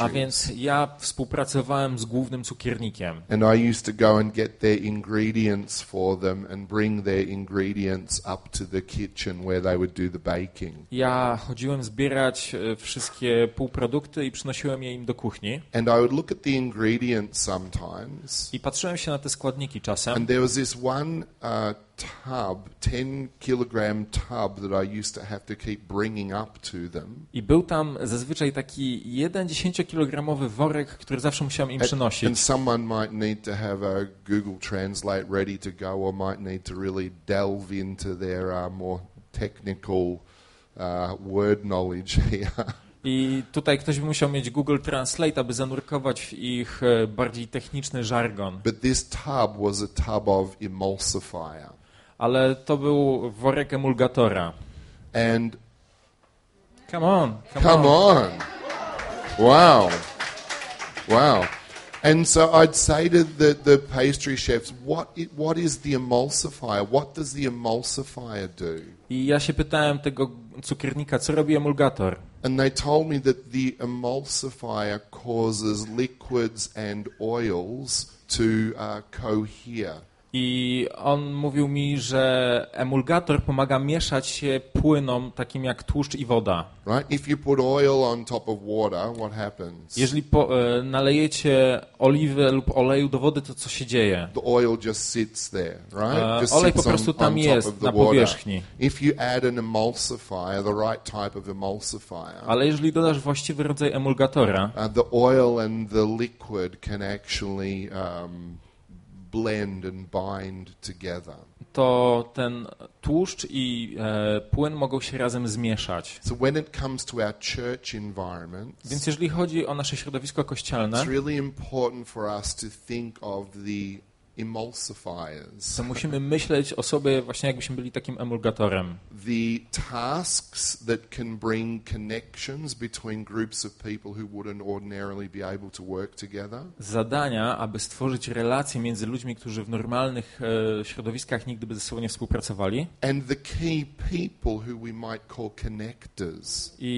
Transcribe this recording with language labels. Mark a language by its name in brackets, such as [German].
[Polish] A więc ja współpracowałem z głównym cukiernikiem. [English] And I used to go and get their ingredients for them and bring their ingredients up to the kitchen where they would do the baking. [Polish] Ja chodziłem zbierać wszystkie półprodukty i przynosiłem je im do kuchni. [English] And I would look at the ingredients sometimes. [Polish] I patrzyłem się na te składniki czasem. [English] And there was this one tub, 10 kilogram tub that I used to have to keep bringing up to them. [Polish] I był tam zazwyczaj taki jeden 10-kilogramowy worek, który zawsze musiałem im przynosić. [English] And someone might need to have a Google Translate ready to go, or might need to really delve into their more technical word knowledge here. [Polish] I tutaj ktoś by musiał mieć Google Translate, aby zanurkować w ich bardziej techniczny żargon. [English] But this tub was a tub of emulsifier. [Polish] Ale to był worek emulgatora. [English] And come on. Wow. And so I'd say to the pastry chefs, what is the emulsifier? What does the emulsifier do? [Polish] I ja się pytałem tego cukiernika, co robi emulgator. [English] And they told me that the emulsifier causes liquids and oils to cohere. [Polish] I on mówił mi, że emulgator pomaga mieszać się płynom takim jak tłuszcz i woda. [English] Right? If you put oil on top of water, what happens? [Polish] Jeżeli nalejecie oliwę lub oleju do wody, to co się dzieje? [English] The oil just sits there, right? Just [Polish] olej [English] sits [Polish] po prostu tam jest na powierzchni. [English] If you add an emulsifier, the right type of emulsifier. [Polish] Ale jeżeli dodasz właściwy rodzaj emulgatora, [English] the oil and the liquid can actually blend and bind together. [Polish] To ten tłuszcz i płyn mogą się razem zmieszać. [English] So when it comes to our church environment, [Polish] więc jeżeli chodzi o nasze środowisko kościelne, [English] it's really important for us to think of the emulsifiers. [Polish] To musimy myśleć o sobie właśnie jakbyśmy byli takim emulgatorem. [English] The tasks that can bring connections between groups of people who wouldn't ordinarily be able to work together. [Polish] Zadania, aby stworzyć relacje między ludźmi, którzy w normalnych środowiskach nigdy by ze sobą nie współpracowali. [English] And the key people who we might call connectors.